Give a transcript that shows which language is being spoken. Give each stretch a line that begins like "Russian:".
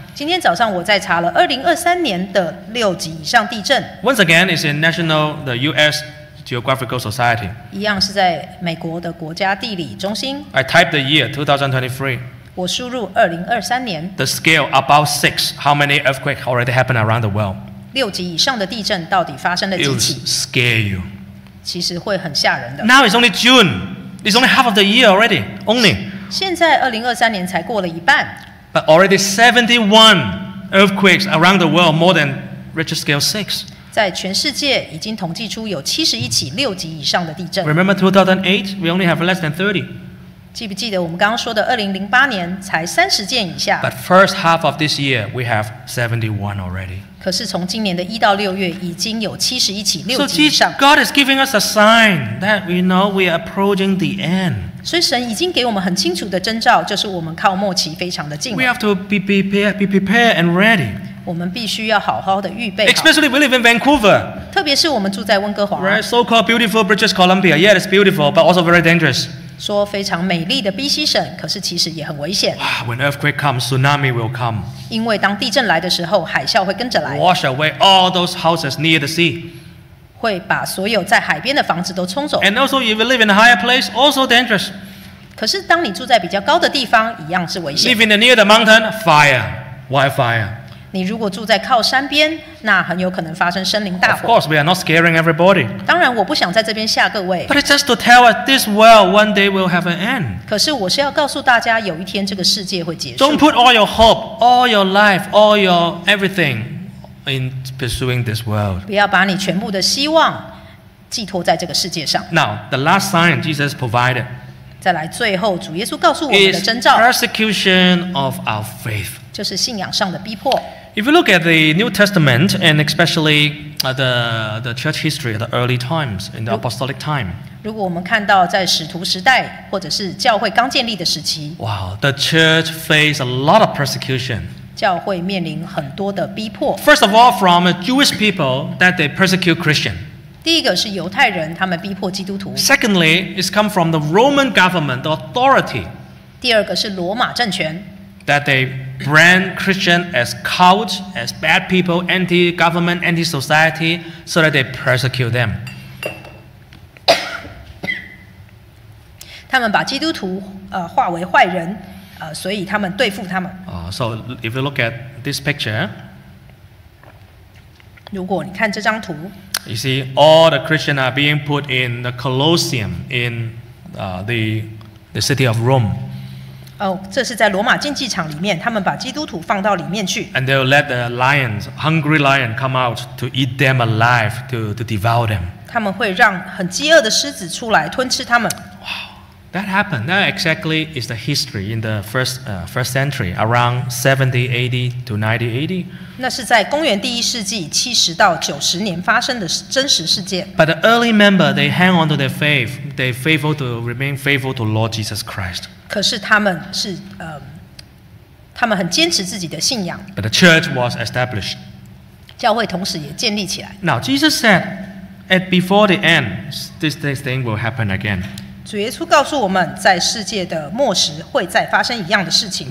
Chinese: 今天早上我在查了2023年的六级以上地震。
English: Once again, it's in National, the U.S. Geographical Society.
Chinese: 一样是在美国的国家地理中心。
English: I type the year 2023.
Chinese: 我输入2023年。
English: The scale about 6. How many earthquakes already happened around the world?
Chinese: 六级以上的地震到底发生了几起
English: ？It will scare you.
Chinese: 其实会很吓人的。
English: Now it's only June. It's only half of the year already. Only.
Chinese: 现在2023年才过了一半。
English: But already 71 earthquakes around the world, more than Richter scale 6.
Chinese: 在全世界已经统计出有71起六级以上的地震。
English: Remember 2008? We only have less than 30.
Chinese: 记不记得我们刚刚说的2008年才30件以下？
English: But first half of this year, we have 71 already.
Chinese: 可是从今年的一到六月已经有71起六级以上。
English: So God is giving us a sign that we know we are approaching the end.
Chinese: 所以神已经给我们很清楚的征兆，就是我们靠末期非常的近了。
English: We have to be prepared and ready.
Chinese: 我们必须要好好的预备。
English: Especially we live in Vancouver.
Chinese: 特别是我们住在温哥华。
English: Right, so-called beautiful British Columbia. Yeah, it's beautiful, but also very dangerous.
Chinese: 说非常美丽的 BC 省，可是其实也很危险。
English: When earthquake comes, tsunami will come.
Chinese: 因为当地震来的时候，海啸会跟着来。
English: Wash away all those houses near the sea.
Chinese: 会把所有在海边的房子都冲走。
English: And also, if you live in a higher place, also dangerous.
Chinese: 可是当你住在比较高的地方，一样是危险。
English: Living near the mountain, fire, wildfire.
Chinese: 你如果住在靠山边，那很有可能发生森林大火。
English: Of course, we are not scaring everybody.
Chinese: 当然，我不想在这边吓各位。
English: But it's just to tell us this world one day will have an end.
Chinese: 可是我是要告诉大家，有一天这个世界会结束。
English: Don't put all your hope, all your life, all your everything. In pursuing this world,
Chinese: 不要把你全部的希望寄托在这个世界上。
English: Now, the last sign Jesus provided.
Chinese: 再来，最后主耶稣告诉我们的征兆。
English: Is persecution of our faith.
Chinese: 就是信仰上的逼迫。
English: If you look at the New Testament and especially the church history at the early times in the apostolic time,
Chinese: 如果我们看到在使徒时代或者是教会刚建立的时期
English: ，Wow, the church faced a lot of persecution.
Chinese: 教会面临很多的逼迫。
English: First of all, from Jewish people that they persecute Christian.
Chinese: 第一个是犹太人，他们逼迫基督徒。
English: Secondly, it's come from the Roman government, the authority.
Chinese: 第二个是罗马政权。
English: That they brand Christian as cowards, as bad people, anti-government, anti-society, so that they persecute them.
Chinese: 他们把基督徒化为坏人。所以他们对付他们。
English: So if you look at this picture,
Chinese: 如果你看这张图
English: ，you see all the Christians are being put in the Colosseum in the city of Rome.
Chinese: 这是在罗马竞技场里面，他们把基督徒放到里面去。
English: And they'll let the lions, hungry lion, come out to eat them alive, to devour them.
Chinese: 他们会让很饥饿的狮子出来吞吃他们。
English: Wow, That happened. That exactly is the history in the first century, around 70 AD to 90 AD.
Chinese: 那是在公元第一世纪70到90年发生的真实事件.
English: But the early member, they hang on to their faith. They faithful to remain faithful to Lord Jesus Christ.
Chinese: 可是他们很坚持自己的信仰.
English: But the church was established.
Chinese: 教会同时也建立起来.
English: Now Jesus said, "At before the end, this thing will happen again."
Chinese: 主耶稣告诉我们，在世界的末时会再发生一样的事情。